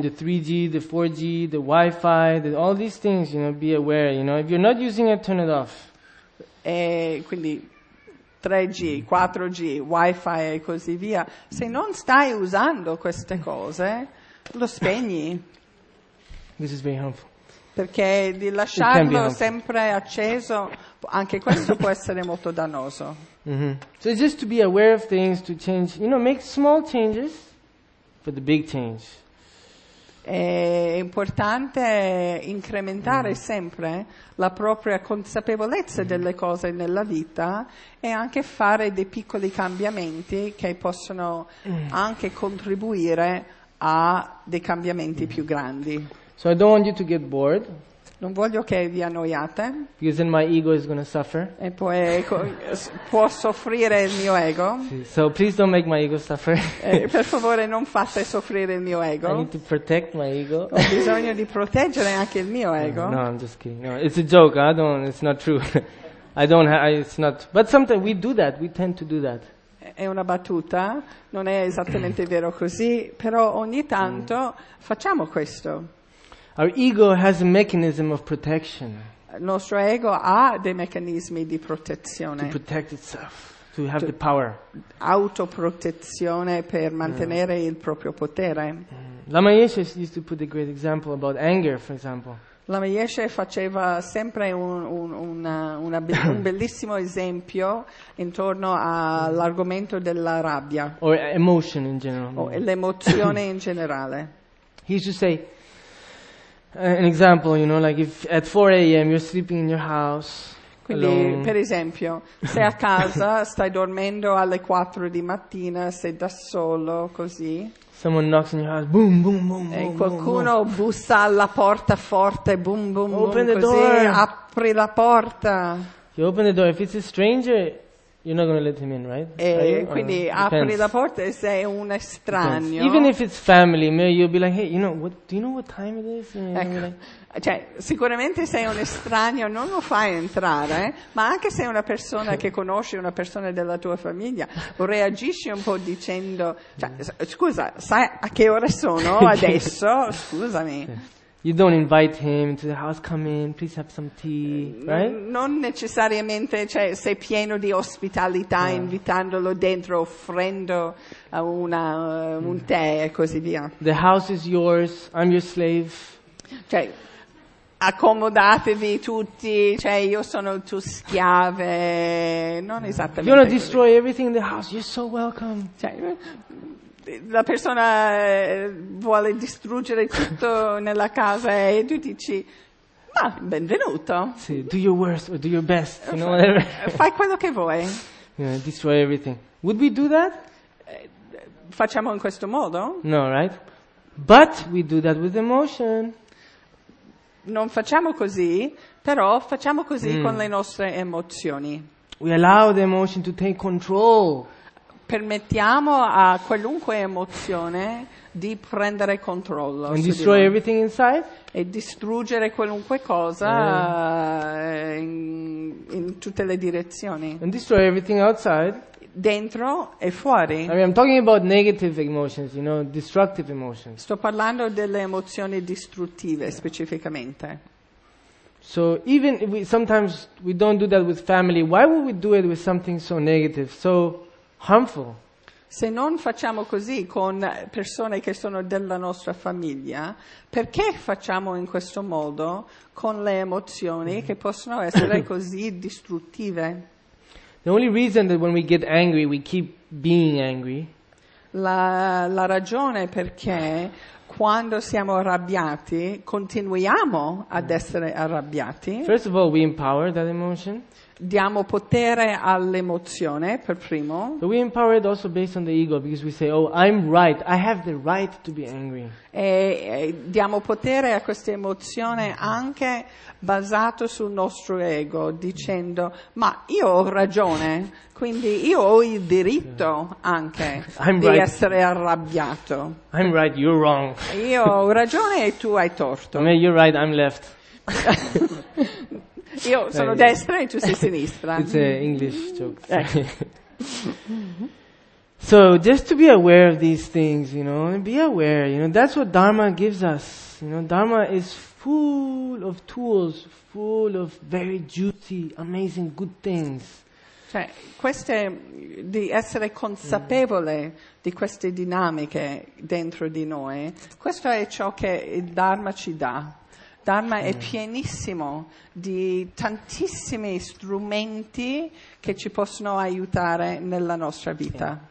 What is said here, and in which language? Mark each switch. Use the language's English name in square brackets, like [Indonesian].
[English] The 3G, the 4G, the Wi-Fi, all these things, you know, be aware, you know, if you're not using it, turn it off. [Italian] E quindi 3G, 4G, Wi-Fi e così via, se non stai usando queste cose, lo spegni. [English] This is very helpful. [Italian] Perché di lasciarlo sempre acceso, anche questo può essere molto dannoso. [English] So just to be aware of things, to change, you know, make small changes for the big change. [Italian] È importante incrementare sempre la propria consapevolezza delle cose nella vita e anche fare dei piccoli cambiamenti che possono anche contribuire a dei cambiamenti più grandi. [English] So I don't want you to get bored. [Italian] Non voglio che vi annoiate. [English] Because then my ego is going to suffer. [Italian] E poi può soffrire il mio ego. [English] So please don't make my ego suffer. [Italian] Per favore non fate soffrire il mio ego. [English] I need to protect my ego. Ho bisogno di proteggere anche il mio ego. No, I'm just kidding. No, it's a joke. It's not true. It's not. But sometimes we do that. We tend to do that. [Italian] È una battuta. Non è esattamente vero così. Però ogni tanto facciamo questo. [English] Our ego has a mechanism of protection. [Italian] Il nostro ego ha dei meccanismi di protezione. [English] To protect itself, to have the power. [Italian] Autoprotezione per mantenere il proprio potere. [English] Lama Yeshe used to put a great example about anger, for example. [Italian] Lama Yeshe faceva sempre un bellissimo esempio intorno all'argomento della rabbia. [English] Or emotion in general. [Italian] L'emozione in generale. [English] He used to say, an example, you know, like if at 4 a.m. you're sleeping in your house. [Italian] Quindi, per esempio, se a casa stai dormendo alle 4 di mattina, sei da solo, così. [English] Someone knocks on your house, boom, boom, boom, boom. [Italian] E qualcuno boom, bussa alla porta forte, boom, boom, [English] open the [Italian] così [English] door. [Italian] Apri la porta. [English] You open the door. If it's a stranger, you're not going to let him in, right? [Italian] E quindi apri la porta e sei un estraneo. [English] Even if it's family, maybe you'll be like, hey, you know, what, do you know what time it is? [Italian] And ecco. Like, cioè, sicuramente sei un estraneo, non lo fai entrare, ma anche se è una persona che conosci, una persona della tua famiglia, reagisci un po' dicendo, cioè, scusa, sai a che ora sono adesso? Scusami. [English] You don't invite him to the house, come in, please have some tea, right? [Italian] Non necessariamente, cioè, sei pieno di ospitalità, yeah, invitandolo dentro, offrendo una, un tè e così via. [English] The house is yours, I'm your slave. [Italian] Cioè, accomodatevi tutti, cioè, io sono il tuo schiave, non esattamente. [English] You want to destroy everything in the house, you're so welcome. [Italian] Cioè, la persona vuole distruggere tutto nella casa e tu dici, ma benvenuto. [English] Sì, do your worst or do your best. You know, whatever. [Italian] Fai quello che vuoi. [English] Yeah, destroy everything. Would we do that? [Italian] Facciamo in questo modo? [English] No, right? But we do that with emotion. [Italian] Non facciamo così, però facciamo così con le nostre emozioni. [English] We allow the emotion to take control. [Italian] Permettiamo a qualunque emozione di prendere controllo. [English] And destroy everything inside? [Italian] E distruggere qualunque cosa in tutte le direzioni. [English] And destroy everything outside? [Italian] Dentro e fuori. [English] I mean, I'm talking about negative emotions, you know, destructive emotions. [Italian] Sto parlando delle emozioni distruttive specificamente. [English] So even if we sometimes we don't do that with family, why would we do it with something so negative? So harmful. [Italian] Se non facciamo così con persone che sono della nostra famiglia, perché facciamo in questo modo con le emozioni che possono essere così distruttive? [English] The only reason that when we get angry we keep being angry. [Italian] La ragione perché quando siamo arrabbiati continuiamo ad essere arrabbiati. [English] First of all, we empower that emotion. [Italian] Diamo potere all'emozione per primo. [English] But we empower it also based on the ego because we say, oh, I'm right, I have the right to be angry. [Italian] E diamo potere a questa emozione anche basato sul nostro ego, dicendo, ma io ho ragione, quindi io ho il diritto anche di essere arrabbiato. [English] I'm right, you're wrong. [Italian] Io ho ragione e tu hai torto. [English] No, you're right, I'm left. [Italian] Io sono destra e tu sei sinistra. [English] It's an English joke. So just to be aware of these things, you know, and be aware, you know, that's what Dharma gives us. You know, Dharma is full of tools, full of very juicy, amazing, good things. [Italian] Cioè, queste, di essere consapevole di queste dinamiche dentro di noi, questo è ciò che il Dharma ci dà. Dharma è pienissimo di tantissimi strumenti che ci possono aiutare nella nostra vita.